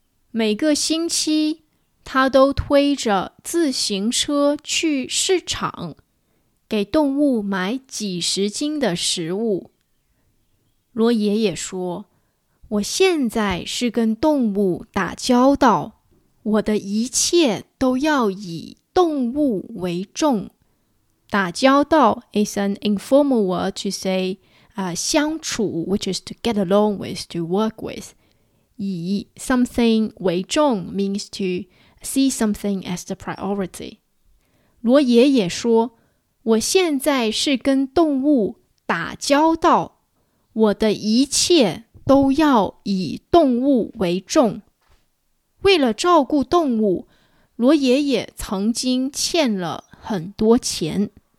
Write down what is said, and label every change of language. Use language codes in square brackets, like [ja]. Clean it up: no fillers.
[zh] 每个星期他都推着自行车去市场，给动物买几十斤的食物。罗爷爷说，我现在是跟动物打交道，我的一切都要以动物为重。 [en] 打交道 is an informal word to say、相处 which is to get along with, to work with. 以 something 为重 means toSee something as the priority. [zh] 罗爷爷说，我现在是跟动物打交道，我的一切都要以动物为重。为了照顾动物，罗爷爷曾经欠了很多钱。